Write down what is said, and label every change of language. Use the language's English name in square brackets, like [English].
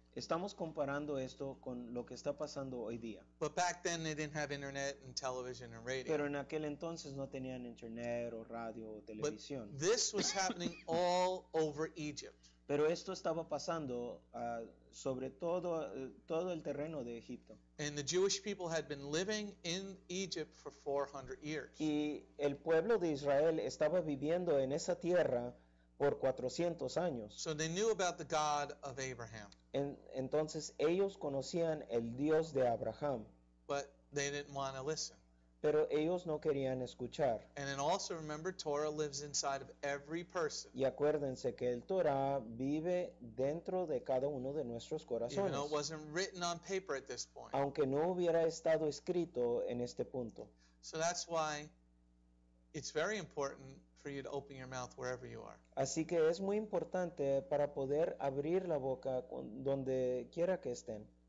[Spanish] Estamos comparando esto con lo que está pasando hoy día. [English] But back then they didn't have internet and television and radio. [Spanish] Pero en aquel entonces no tenían internet o radio o televisión. [English] But this was happening all over Egypt. [Spanish] Pero esto estaba pasando sobre todo el terreno de Egipto. [English] And the Jewish people had been living in Egypt for 400 years. [Spanish] Y el pueblo de Israel estaba viviendo en esa tierra por 400 años. [English] So they knew about the God of Abraham. [Spanish] Entonces ellos conocían el Dios de Abraham. [English] But they didn't want to listen. [Spanish] Pero ellos no querían escuchar. [English] And then also remember, Torah lives inside of every person. [Spanish] Y acuérdense que el Torah vive dentro de cada uno de nuestros corazones. [English] Even though it wasn't written on paper at this point. [Spanish] Aunque no hubiera estado escrito en este punto. [English] So that's why it's very important for you to open your mouth wherever you are. [Spanish] Así que es muy importante para poder abrir la boca donde quiera que estén.